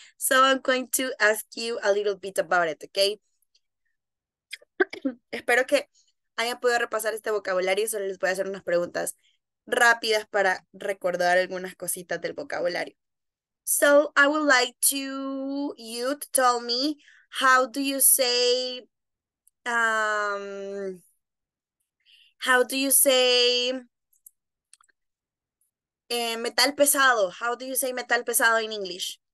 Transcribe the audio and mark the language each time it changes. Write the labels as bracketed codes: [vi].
[en] So I'm going to ask you a little bit about it, okay? [es] Espero que hayan podido repasar este vocabulario. Solo les voy a hacer unas preguntas rápidas para recordar algunas cositas del vocabulario. [en] So I would like to you to tell me how do you say how do you say metal pesado. How do you say metal pesado in English?